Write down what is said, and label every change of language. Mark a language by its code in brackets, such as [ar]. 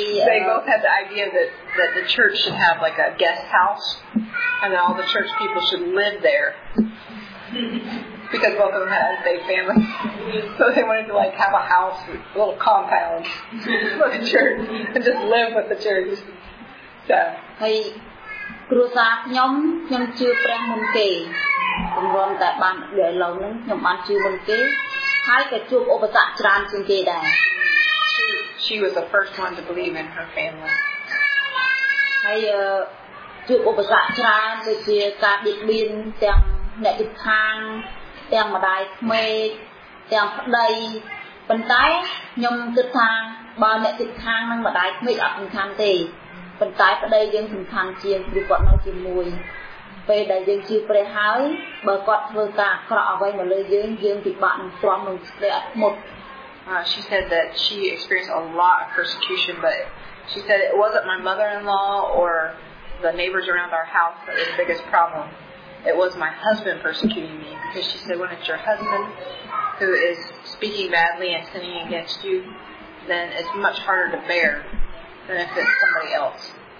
[en] They both had the idea that the church should have like a guest house and all the church people should live there because both of them had a big family so they wanted to like have a house a little compound for the church and just live with the church so [km] hey ครูซาខ្ញុំខ្ញុំជឿព្រះមុនគេព្រមព្រៀងតែបានដែលឡូវហ្នឹងខ្ញុំបានជឿមុនគេហើយក៏ជួបឧបសគ្គច្រើនជាងគេដែរ [en] She was the first one to believe in her family [km] ហើយជួបឧបសគ្គច្រើនដូចជាការបៀតបៀនទាំងអ្នកជិតខាងទាំងម្ដាយក្មេកទាំងប្ដីប៉ុន្តែខ្ញុំគិតថាបើអ្នកជិតខាងនិងម្ដាយក្មេកអត់សំខាន់ទេប៉ុន្តែប្ដីយើងសំខាន់ជាងព្រោះគាត់នៅជាមួយពេលដែលយើងជឿព្រះហើយបើគាត់ធ្វើការអាក្រក់អ្វីមកលើយើងយើងពិបាកនឹងទ្រាំនឹងស្ទើរអត់មុត [en] She said that she experienced a lot of persecution but she said it wasn't my mother-in-law or the neighbors around our house that was the biggest problem it was my husband persecuting me because she said when it's your husband who is speaking badly and sinning against you then it's much harder to bear than if it's somebody else